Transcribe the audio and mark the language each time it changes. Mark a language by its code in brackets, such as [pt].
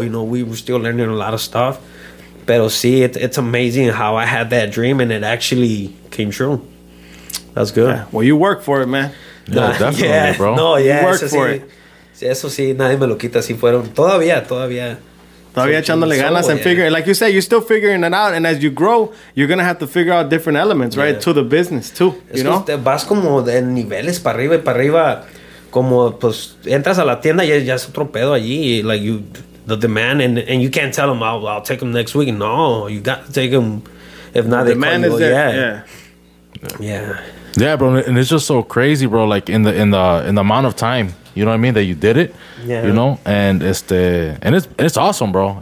[en] You know, we were still learning a lot of stuff. [es] Pero sí, [en] it's amazing how I had that dream and it actually came true. That's good. Yeah. Well, you work for it, man. No, definitely, bro. No, yeah. You work for it. [es] Sí, eso sí, nadie me lo quita. Así fueron. Todavía. Todavía echándole ganas [en] and figuring, like you said, you're still figuring it out. And as you grow, you're going to have to figure out different elements, right? To the business, too, you know? [es] Vas como de niveles para arriba y para arriba. Como, pues, entras a la tienda y ya es otro pedo allí. [en] Like, you, the demand, and you can't tell them, I'll take them next week. No, you got to take them. If not, they call you. Yeah, bro. And it's just so crazy, bro. Like, in the amount of time. You know what I mean? That you did it, you know, and it's awesome, bro.